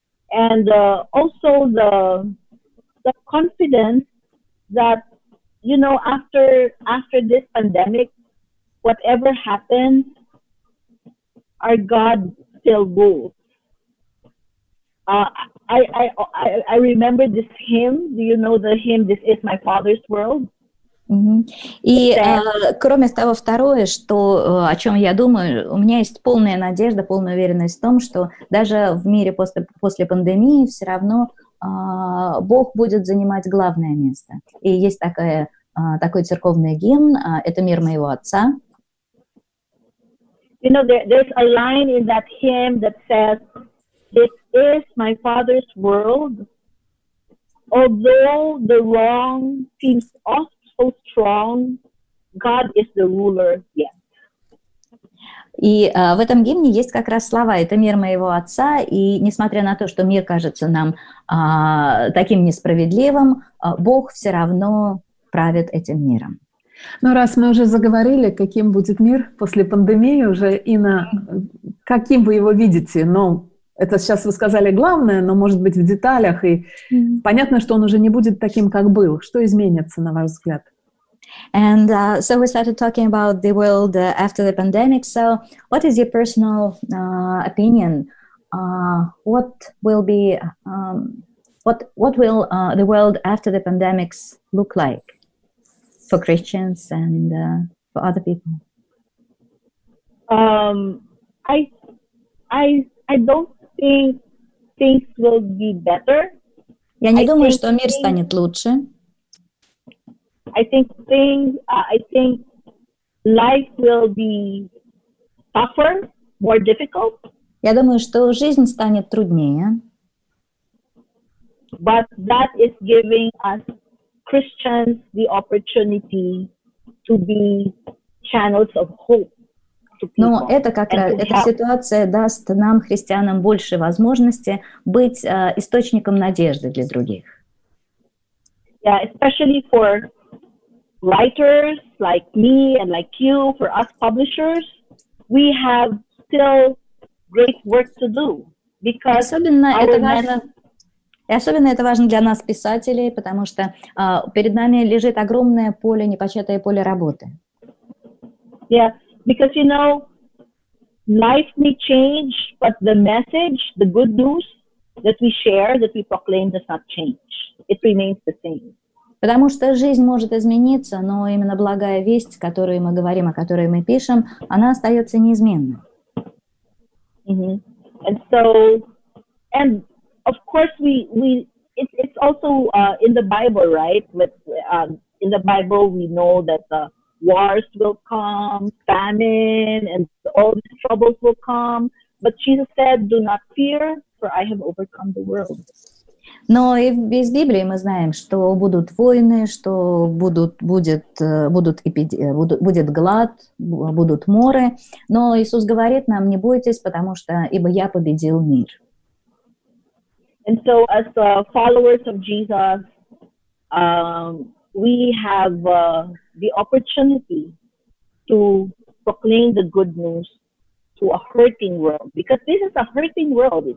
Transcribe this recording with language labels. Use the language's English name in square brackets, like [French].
[English] And also the confidence that, you know, after this pandemic, whatever happens, our God still rules. I remember this hymn. Do you know the hymn, "This is my Father's World"? Mm-hmm. [Russian] И кроме того, второе, что, о чем я думаю, у меня есть полная надежда, полная уверенность в том, что даже в мире после пандемии все равно Бог будет занимать главное место. И есть такой церковный гимн «Это мир моего Отца». [English] You know, there's a line in that hymn that says, "This is my Father's world. Although the wrong seems oft so strong, God is the ruler yet." [Russian] И в этом гимне есть как раз слова «Это мир моего Отца», и несмотря на то, что мир кажется нам таким несправедливым, Бог все равно правит этим миром. Ну, раз мы уже заговорили, каким будет мир после пандемии уже, Инна, каким вы его видите? Ну, это сейчас вы сказали главное, но, может быть, в деталях. И понятно, что он уже не будет таким, как был. Что изменится, на ваш взгляд? [English] And so we started talking about the world after the pandemic. So what is your personal opinion? What will be, what will the world after the pandemics look like? For Christians and for other people, I don't think things will be better. [Russian] Я не думаю, что мир станет лучше. [English] I think life will be tougher, more difficult. [Russian] Я думаю, что жизнь станет труднее. [English] But that is giving us Christians the opportunity to be channels of hope to people. [Russian] Но это как раз, эта ситуация даст нам, христианам, больше возможности быть источником надежды для других. [English] Yeah, especially for writers like me and like you, for us publishers, we have still great work to do. Because [Russian] особенно это важно. И особенно это важно для нас, писателей, потому что перед нами лежит огромное поле, непочатое поле работы. [English] Yeah, because, you know, life may change, but the message, the good news that we share, that we proclaim does not change. It remains the same. [Russian] Потому что жизнь может измениться, но именно благая весть, которую мы говорим, о которой мы пишем, она остается неизменной. [English] Mm-hmm. And so... And... Of course, it's also in the Bible, right? With in the Bible, we know that the wars will come, famine, and all the troubles will come. But Jesus said, "Do not fear, for I have overcome the world." [Russian] Но и из Библии мы знаем, что будут войны, что будет глад, будут моры. Но Иисус говорит нам: "Не бойтесь, потому что ибо я победил мир." [English] And so as the followers of Jesus, we have the opportunity to proclaim the good news to a hurting world, because this is a hurting world.